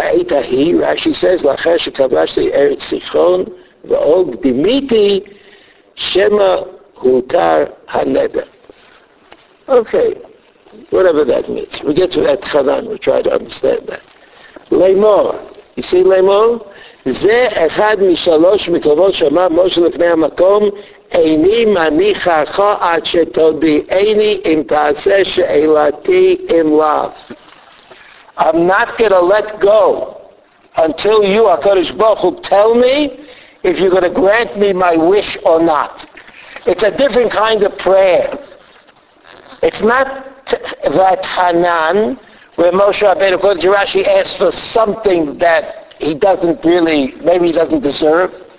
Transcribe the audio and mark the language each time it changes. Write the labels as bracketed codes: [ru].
[he] בעת ההיא, רשי says, לאחר שכבשתי ארץ סיכון ואוג דימיתי, שמה הותר הנדר. [en] Okay, whatever that means. We get to that Chanan, we try to understand that. Leymor, you see Leymor? [he] זה אחד משלוש מקומות שאמר משה לפני המקום, איני מניחך עד שתודיעני אם תעשה שאלתי אם לאו. [en] I'm not going to let go until you, HaKadosh Baruch Hu, tell me if you're going to grant me my wish or not. It's a different kind of prayer. It's not that Hanan, where Moshe Rabbeinu, according to Rashi, asks for something that he doesn't really, maybe he doesn't deserve.